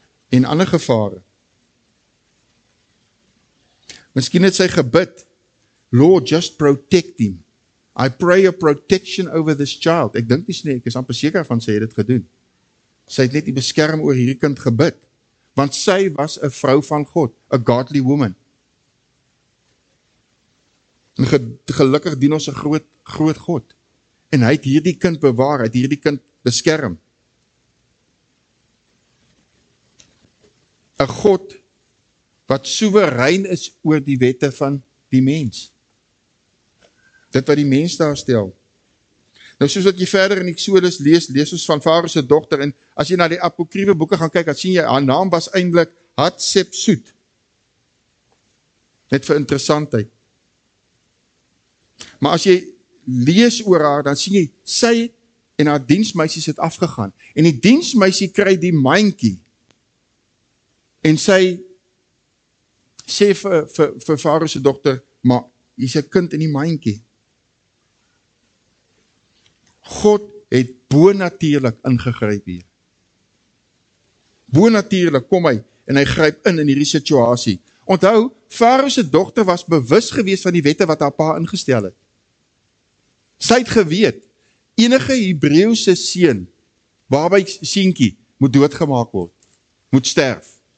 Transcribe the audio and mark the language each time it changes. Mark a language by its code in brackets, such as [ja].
[af] En ander gevare. Miskien het sy gebid, Lord, [en] just protect him. I pray a protection over this child. [af] Ek dink dis nie, ek is amper seker van sy het dit gedoen. Sy het net die beskerm oor hierdie kind gebid. Want sy was 'n vrou van God, [en] a godly woman. [af] En gelukkig dien ons 'n groot, groot God. En hy het hierdie kind bewaar, hy het hierdie kind beskerm. 'N God wat soewerein is oor die wette van die mens. Dit wat die mens daar stel. Nou soos wat jy verder in Eksodus lees, lees ons van Farao se dogter en as jy na die apokriewe boeke gaan kyk, dan sien jy haar naam was eintlik Hatshepsut. Net vir interessantheid. Maar as jy lees oor haar, dan sien jy sy en haar diensmeisies het afgegaan en die diensmeisie kry die mandjie. En sy sê vir Farao se dogter, maar hier's 'n kind in die mandjie. God het bonatuurlik ingegryp hier. Bonatuurlik kom hy en hy gryp in hierdie situasie. Onthou, Farao se dogter was bewus gewees van die wette wat haar pa ingestel het. Sy het geweet enige Hebreëse seun, baby seentjie, moet doodgemaak word, moet sterf.